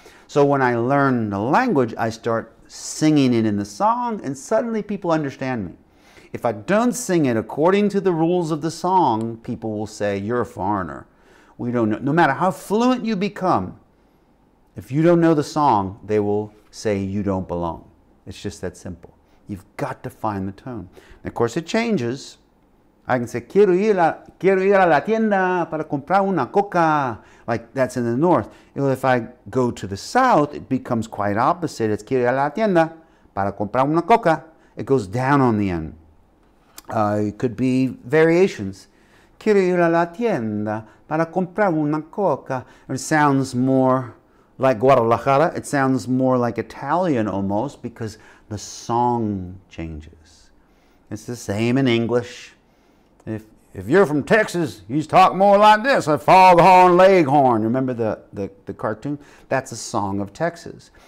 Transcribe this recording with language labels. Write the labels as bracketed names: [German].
[English] So when I learn the language, I start singing it in the song, and suddenly people understand me. If I don't sing it according to the rules of the song, people will say, you're a foreigner. We don't know. No matter how fluent you become, if you don't know the song, they will say you don't belong. It's just that simple. You've got to find the tone. And of course, it changes. I can say, [Spanish] quiero ir a la tienda para comprar una coca. [English] Like, that's in the north. Well, if I go to the south, it becomes quite opposite. [Spanish] It's quiero ir a la tienda para comprar una coca. [English] It goes down on the end. It could be variations. [Spanish] Quiero ir a la tienda para comprar una coca. [English] It sounds more like Guadalajara. It sounds more like Italian almost, because the song changes. It's the same in English. If you're from Texas, you talk more like this, a foghorn leghorn. Remember the cartoon? That's a song of Texas.